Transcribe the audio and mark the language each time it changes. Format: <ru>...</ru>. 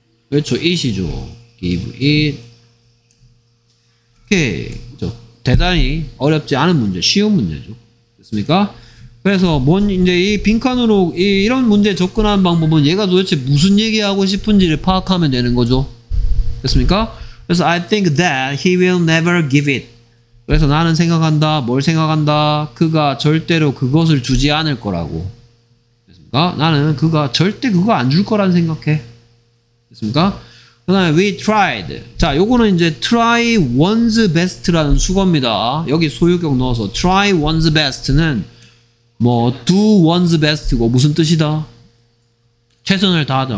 <ko>그렇죠. it이죠. give it. 오케이. 그렇죠. 대단히 어렵지 않은 문제. 쉬운 문제죠. 됐습니까? 그래서 뭔 이제 이 빈칸으로 이런 문제 접근하는 방법은 얘가 도대체 무슨 얘기하고 싶은지를 파악하면 되는 거죠. 됐습니까?</ko> <en>그래서 I think that he will never give it.</en> <ko>그래서 나는 생각한다. 뭘 생각한다? 그가 절대로 그것을 주지 않을 거라고. 됐습니까? 나는 그가 절대 그거 안 줄 거란 생각해. 됐습니까? 그 다음에 we tried. 자, 요거는 이제 try one's best라는 수거입니다. 여기 소유격 넣어서 try one's best는 뭐 do one's best고 무슨 뜻이다? 최선을 다하다.</ko>